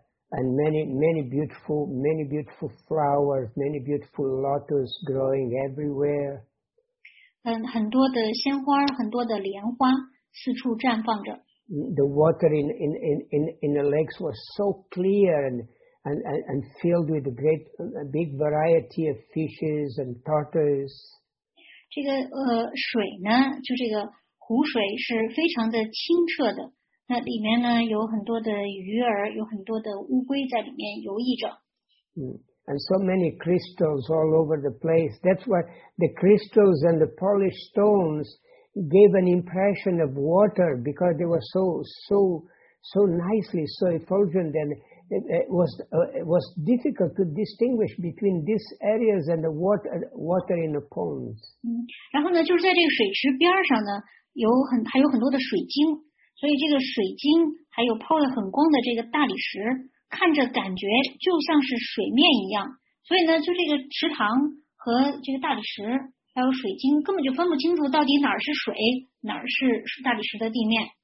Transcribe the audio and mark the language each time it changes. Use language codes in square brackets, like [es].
[en] And many beautiful flowers, many beautiful lotus growing everywhere. [zh] 很多的鲜花，很多的莲花四处绽放着。 [en] The water in the lakes was so clear and filled with a big variety of fishes and tortoises. [zh] 这个水呢，就这个湖水是非常的清澈的。那里面呢有很多的鱼儿，有很多的乌龟在里面游弋着。 [en] And so many crystals all over the place. That's why the crystals and the polished stones. Gave an impression of water because they were so nicely, so effulgent, and it was difficult to distinguish between these areas and the water in the ponds. [zh] 然后呢，就是在这个水池边上呢，还有很多的水晶，所以这个水晶还有抛得很光的这个大理石，看着感觉就像是水面一样，所以呢，就这个池塘和这个大理石。还有水晶根本就分不清楚到底哪儿是水哪儿是大理石的地面。